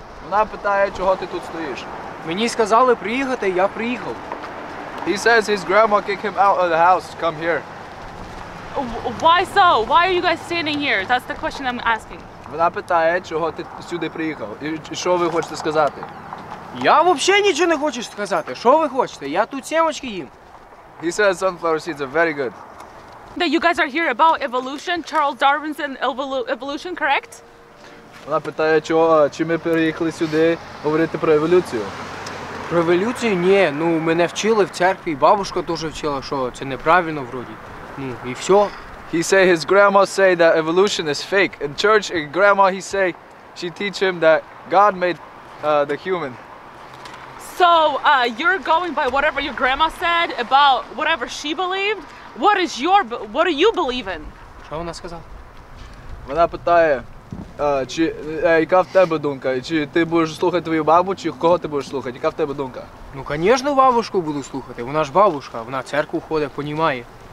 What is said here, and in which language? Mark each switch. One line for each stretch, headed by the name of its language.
Ukrainian: Вона питає, чого ти тут стоїш. Мені сказали приїхати, я приїхав.
English: He says his grandma kicked him out of the house. Come here. Why so? Why are you guys standing here? That's the question I'm asking.
Ukrainian: Вона питає, чого ти сюди приїхав. І що ви хочете сказати?
Russian: Я вообще ничего не хочу сказати.
Ukrainian: Що ви хочете? Я тут семечки їм.
English: He says sunflower seeds are very good. That you guys are here about evolution, Charles Darwin's and evolution, correct?
Ukrainian: Вона питає, чи ми переїхали сюди говорити про еволюцію? Про еволюцію? Ні, ну мене вчили в церкві, бабушка дуже вчила, що це неправильно вроді. Ну, і все.
English: He say his grandma say that evolution is fake. In church, his grandma he say she teach him that God made the human. So, you're going by whatever your grandma said about whatever she believed? What do you believe in?
Ukrainian: Що вона сказала? Вона питає, яка в тебе думка? Чи ти будеш слухати твою бабу, чи кого ти будеш слухати? Яка в тебе думка? Ну, звісно, бабушку буду слухати. Вона ж бабушка, вона церкву ходить, понімає.